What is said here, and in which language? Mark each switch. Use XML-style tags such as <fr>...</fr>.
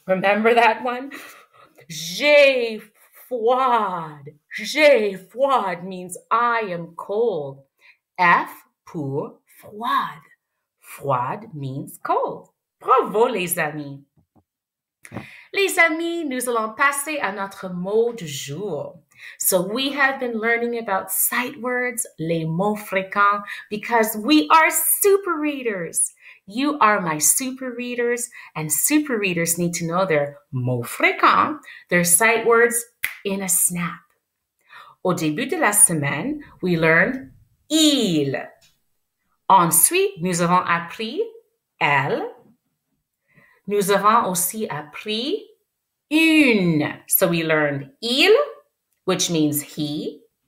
<en>Remember that one?</en> <fr>J'ai froide.</fr> <en>J'ai froide means I am cold.</en> <fr>F pour froide. Froide</fr> <en>means cold.</en> <fr>Bravo, les amis. Les amis, nous allons passer à notre mot du jour.</fr> <en>So we have been learning about sight words,</en> <fr>les mots fréquents,</fr> <en>because we are super readers. You are my super readers, and super readers need to know their mots fréquents, their sight words in a snap.</en> <fr>Au début de la semaine,</fr> <en>we learned</en> <fr>il. Ensuite, nous avons appris elle. Nous avons aussi appris une.</fr> <en>So we learned il, which means he.</en>